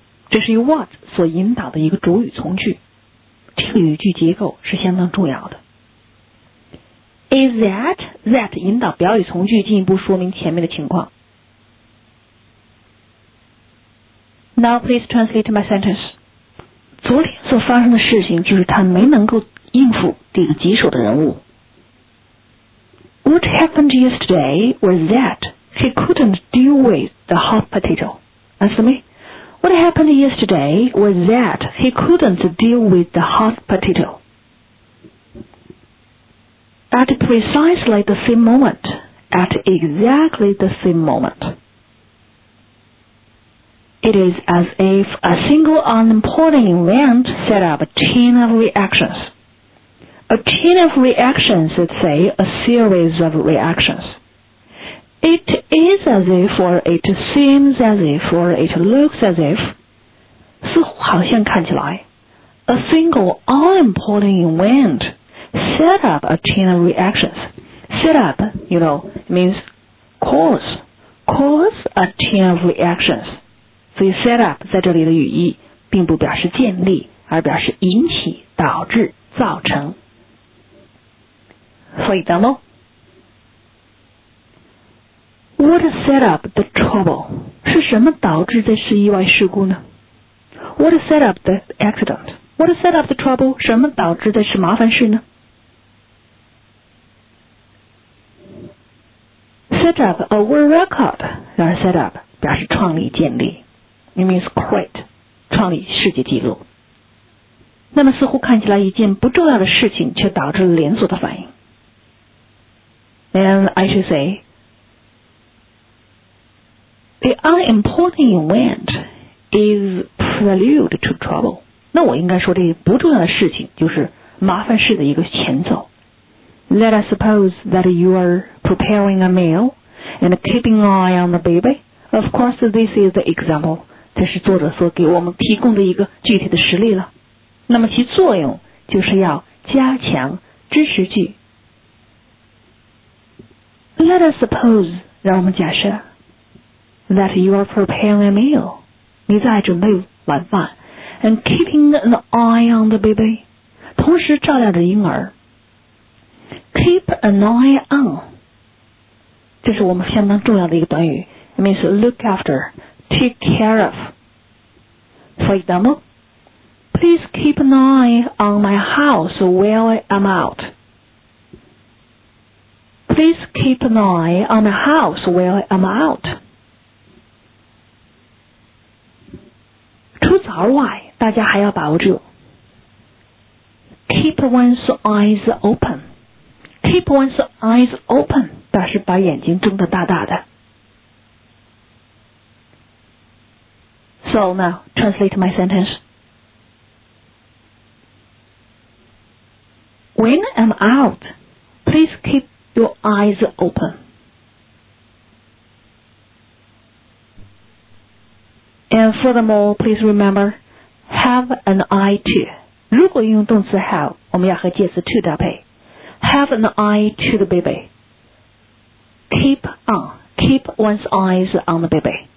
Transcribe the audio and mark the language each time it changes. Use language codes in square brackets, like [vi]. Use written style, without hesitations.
[zh] 这是由 what 所引导的一个主语从句这个语句结构是相当重要的 [en] Is that [zh] that 引导表语从句进一步说明前面的情况 [en] Now please translate my sentence. [zh] 昨天所发生的事情就是他没能够应付这个棘手的人物。 [en] What happened yesterday was that he couldn't deal with the hot potato. Answer me. What happened yesterday was that he couldn't deal with the hot potato. At precisely the same moment, at exactly the same moment, it is as if a single unimportant event set up a chain of reactions. A chain of reactions, let's say, a series of reactions. It is as if, or it seems as if, or it looks as if, [zh] 似乎好像看起来, [en] a single unimportant event set up a chain of reactions. Set up, you know, means cause a chain of reactions. [zh] 所以 set up 在这里的语义并不表示建立，而表示引起、导致、造成。 [en] For example, what set up the trouble? [zh] 是什么导致这次意外事故呢？ [en] What set up the accident? What set up the trouble? [zh] 什么导致这次麻烦事呢？ [en] Set up a world record. [zh] 然后 set up 表示创立、建立。 [en] It means create, [zh] 创立世界纪录。那么似乎看起来一件不重要的事情却导致了连锁的反应。 [en] And I should say, the unimportant event is prelude to trouble. [zh] 那我应该说这不重要的事情就是麻烦事的一个前奏。 [en] Let us suppose that you are preparing a meal and keeping an eye on the baby. Of course, this is the example. [zh] 这是作者所给我们提供的一个具体的实例了。那么其作用就是要加强支持句。 [en] Let us suppose, [zh] 让我们假设 [en] that you are preparing a meal, [zh] 你在准备晚饭 [en] and keeping an eye on the baby, [zh] 同时照料着婴儿。 [en] Keep an eye on, [zh] 这是我们相当重要的一个短语 [en] ,it means look after,Take care of. For example, please keep an eye on my house while I'm out. Please keep an eye on my house while I'm out. [zh] 除此而外，大家还要把握住。 [en] Keep one's eyes open. Keep one's eyes open. [zh] 表示把眼睛睁得大大的。 [en] So now, translate my sentence. When I'm out, please keep your eyes open. And furthermore, please remember, have an eye to. [zh] 如果用动词 have, 我们要和介词 to 搭配。 [en] Have an eye to the baby. Keep one's eyes on the baby.